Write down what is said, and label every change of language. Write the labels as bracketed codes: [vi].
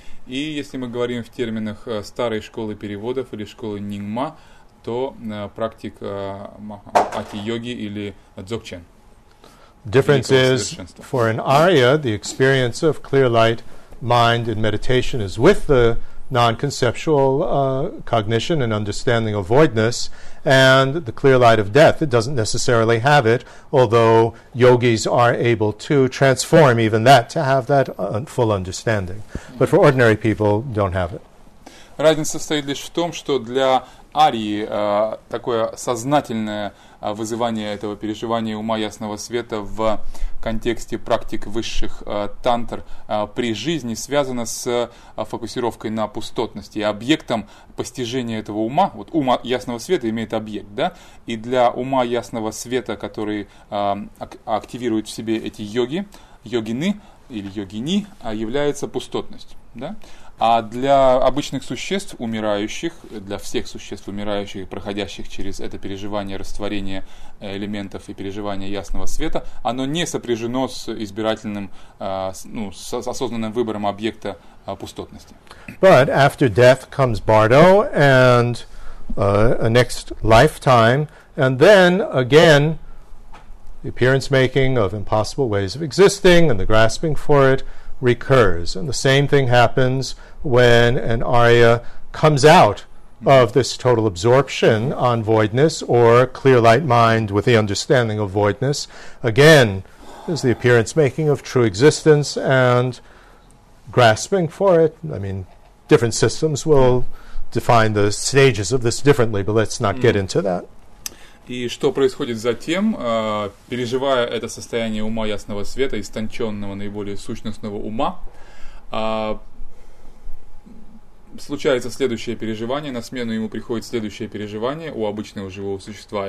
[ru] И если мы говорим в терминах старой школы переводов или школы нингма, то практик ати-йоги или дзокчен. [en] Difference is, for an arya, the experience of clear light mind in meditation is with the non-conceptual cognition and understanding of voidness, and the clear light of death, it doesn't necessarily have it, although yogis are able to transform even that to have that full understanding. But for ordinary people, don't have it. [ru] Разница состоит лишь в том, что для арии такое сознательное вызывание этого переживания ума ясного света в контексте практик высших тантр при жизни связано с фокусировкой на пустотности. И объектом постижения этого ума, вот ума ясного света имеет объект, да? И для ума ясного света, который активирует в себе эти йоги, йогины или йогини, является пустотность, да? А для обычных существ, умирающих, для всех существ, умирающих и проходящих через это переживание растворения элементов и переживание ясного света, оно не сопряжено с избирательным, ну, с осознанным выбором объекта пустотности. [en] But after death comes bardo and a next lifetime, and then again the appearance making of impossible ways of existing and the grasping for it recurs. And the same thing happens when an Arya comes out of this total absorption on voidness or clear light mind with the understanding of voidness. Again, there's the appearance making of true existence and grasping for it. I mean, different systems will define the stages of this differently, but let's not get into that. [ru] И что происходит затем, переживая это состояние ума ясного света, истонченного наиболее сущностного ума, случается следующее переживание, на смену ему приходит следующее переживание у обычного живого существа.